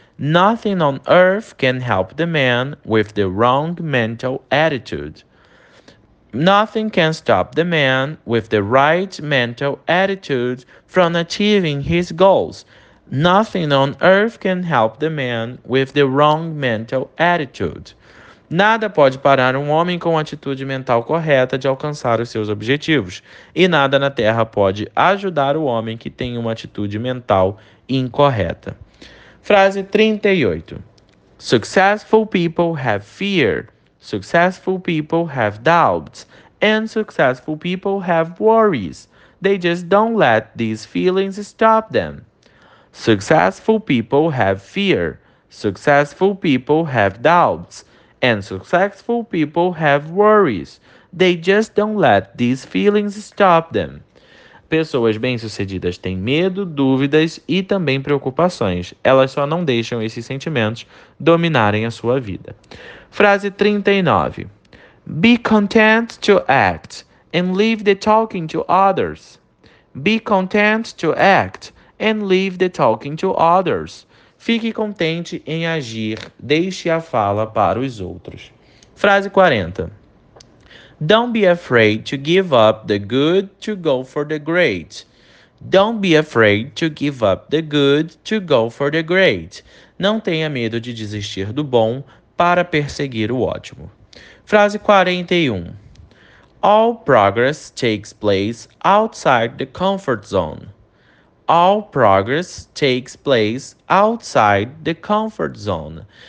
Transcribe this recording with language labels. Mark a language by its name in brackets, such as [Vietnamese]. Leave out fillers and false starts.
[English] Nothing on earth can help the man with the wrong mental attitude. Nothing can stop the man with the right mental attitude from achieving his goals. Nothing on earth can help the man with the wrong mental attitude. [Portuguese] Nada pode parar um homem com a atitude mental correta de alcançar os seus objetivos. E nada na Terra pode ajudar o homem que tem uma atitude mental incorreta. Frase 38. [English] Successful people have fear. Successful people have doubts. And successful people have worries. They just don't let these feelings stop them. Successful people have fear. Successful people have doubts. And successful people have worries. They just don't let these feelings stop them. [Portuguese] Pessoas bem-sucedidas têm medo, dúvidas e também preocupações. Elas só não deixam esses sentimentos dominarem a sua vida. Frase 39. [English] Be content to act and leave the talking to others. Be content to act and leave the talking to others. [Portuguese] Fique contente em agir, deixe a fala para os outros. Frase 40. [English] Don't be afraid to give up the good to go for the great. Don't be afraid to give up the good to go for the great. [Portuguese] Não tenha medo de desistir do bom para perseguir o ótimo. Frase 41. [English] All progress takes place outside the comfort zone. All progress takes place outside the comfort zone.